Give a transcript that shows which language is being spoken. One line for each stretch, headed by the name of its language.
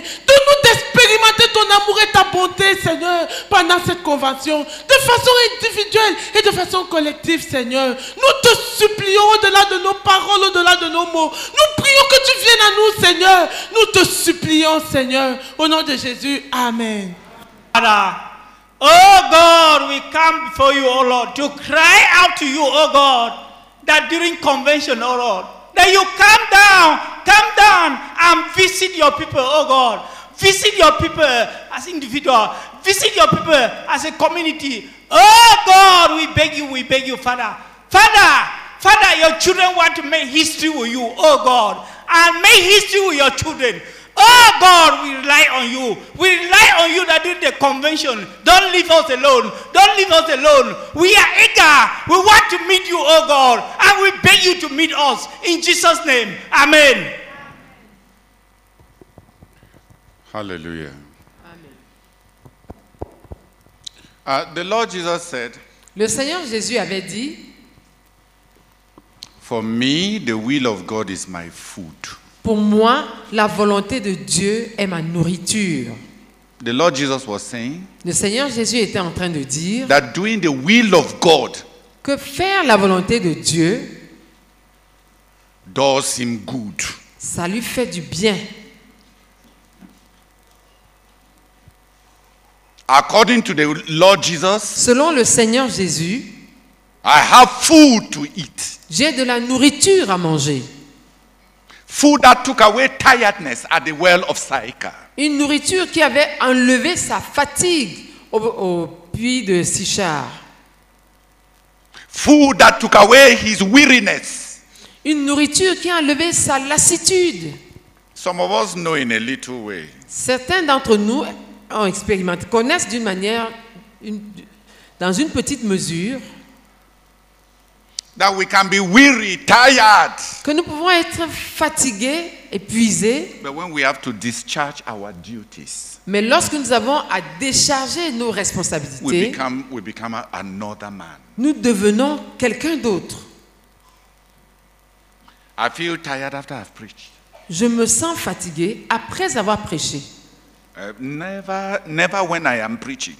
French: Donne-nous d'expérimenter ton amour et ta bonté, Seigneur, pendant cette convention, de façon individuelle et de façon collective, Seigneur. Nous te supplions au-delà de nos paroles, au-delà de nos mots. Nous prions que tu viennes à nous, Seigneur. Nous te supplions, Seigneur, au nom de Jésus. Amen.
English: Oh God, we come before you, oh Lord, to cry out to you, oh God, that during convention, oh Lord, that you come down and visit your people, oh God. Visit your people as individual. Visit your people as a community. Oh God, we beg you, Father. Father, your children want to make history with you, oh God, and make history with your children. Oh God, we rely on you. We rely on you that during the convention, don't leave us alone. Don't leave us alone. We are eager. We want to meet you, oh God. And we beg you to meet us. In Jesus' name, Amen. Hallelujah. Amen. The Lord Jesus said,
French: Le Seigneur Jésus avait dit,
English: For me, the will of God is my food.
French: Pour moi, la volonté de Dieu est ma nourriture.
English: The Lord Jesus was saying,
French: le Seigneur Jésus était en train de dire
English: that doing the will of God
French: que faire la volonté de Dieu
English: does him good.
French: Ça lui fait du bien.
English: According to the Lord Jesus,
French: selon le Seigneur Jésus,
English: I have food to eat.
French: J'ai de la nourriture à manger.
English: Food that took away tiredness at the well of Sychar.
French: Une nourriture qui avait enlevé sa fatigue au puits de Sychar.
English: Food that took away his weariness.
French: Une nourriture qui a enlevé sa lassitude.
English: Some of us know in a little way.
French: Certains d'entre nous ont expérimenté, connaissent d'une manière, dans une petite mesure,
English: That we can be weary, tired.
French: Que nous pouvons être fatigués, épuisés.
English: But when we have to discharge our duties.
French: Mais lorsque nous avons à décharger nos responsabilités,
English: we become another man.
French: Nous devenons quelqu'un d'autre.
English: I feel tired after I've preached.
French: Je me sens fatigué après avoir prêché.
English: Never when I am preaching.